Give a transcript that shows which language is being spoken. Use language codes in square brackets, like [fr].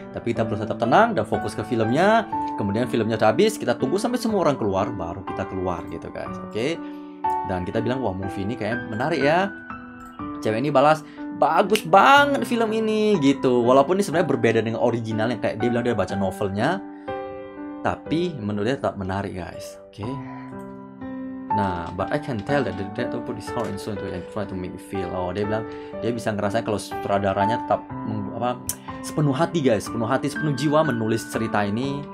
[id] Tapi kita perlu tetap tenang dan fokus ke filmnya. Kemudian filmnya udah habis, kita tunggu sampai semua orang keluar baru kita keluar gitu, guys. Oke. Okay. Dan kita bilang, wah movie ini kayaknya menarik ya. Cewek ini balas, bagus banget film ini gitu. Walaupun ini sebenarnya berbeda dengan originalnya, kayak dia bilang dia baca novelnya, tapi menurut dia tetap menarik guys. Oke. [en] Nah, but I can tell that the director put his heart and soul into it and try to make it feel. [id] Oh, dia bilang dia bisa ngerasain kalau sutradaranya tetap sepenuh hati guys, sepenuh hati, sepenuh jiwa menulis cerita ini.